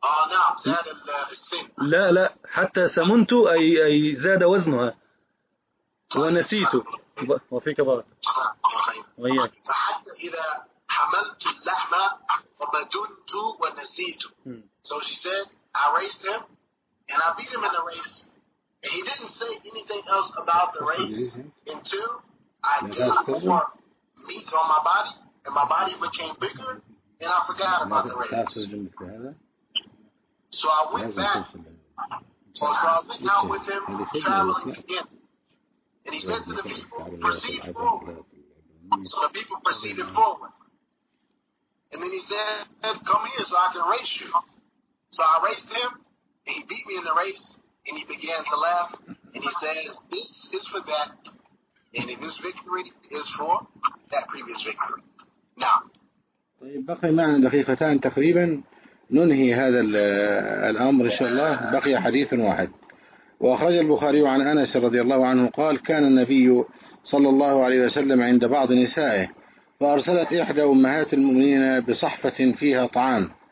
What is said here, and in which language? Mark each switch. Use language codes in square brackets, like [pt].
[ar] نعم زاد السن. لا لا حتى سمنت أي زاد وزنها ونسيت. وفيك بارك. وياك. حتى إذا حملت اللحمة وبدنت ونسيت. [en] So she said I raced him and I beat him in the race. He didn't say anything else about the race until I gained more meat on my body and my body became bigger and I forgot about the race. So I went back. So I went out with him traveling again. And he said to the people, proceed forward. So the people proceeded forward. And then he said, come here so I can race you. So I raced him and he beat me in the race. And he began to laugh, and he says, this is for that, and this victory is for that previous victory. Now. [ar] طيب بقي معنا دقيقتان تقريبا ننهي هذا الأمر إن شاء الله. بقي حديث واحد. وأخرج البخاري عن أنس رضي الله عنه قال كان النبي صلى الله عليه وسلم عند بعض نسائه فأرسلت إحدى أمهات المؤمنين بصحفة فيها طعام